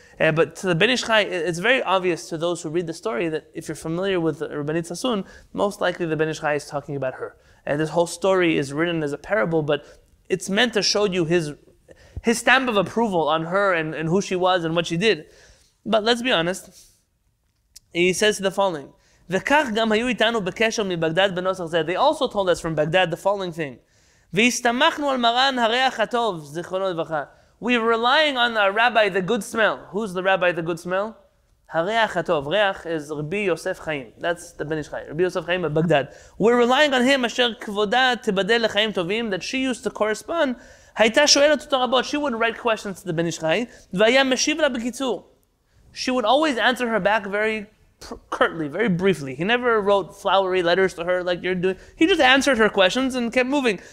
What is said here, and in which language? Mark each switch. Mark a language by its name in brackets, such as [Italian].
[English] But to the Ben Ish Chai, it's very obvious to those who read the story that if you're familiar with Rabbanit Sassoon, most likely the Ben Ish Chai is talking about her. And this whole story is written as a parable, but it's meant to show you his stamp of approval on her and who she was and what she did. But let's be honest. He says the following. [Hebrew] וכך גם היו איתנו בקשר מבגדד בנוסח זה. [English] They also told us from Baghdad the following thing. [Hebrew] והסתמכנו על מרן הריח הטוב, זיכרונו לברכה. [English] We were relying on our rabbi, the good smell. Who's the rabbi, the good smell? [Hebrew] הריח הטוב. [English] ריח is רבי יוסף חיים. That's the Ben Ish Chai. רבי יוסף חיים of Baghdad. We're relying on him, [Hebrew] אשר כבודה תבדל לחיים טובים, [English] that she used to correspond. [Hebrew] הייתה שואלת אותו רבות, [English] she would write questions to the Ben Ish Chai, [Hebrew] והיה משיב לה בקיצור. [English] She would always answer her back very curtly, very briefly. He never wrote flowery letters to her like you're doing. He just answered her questions and kept moving.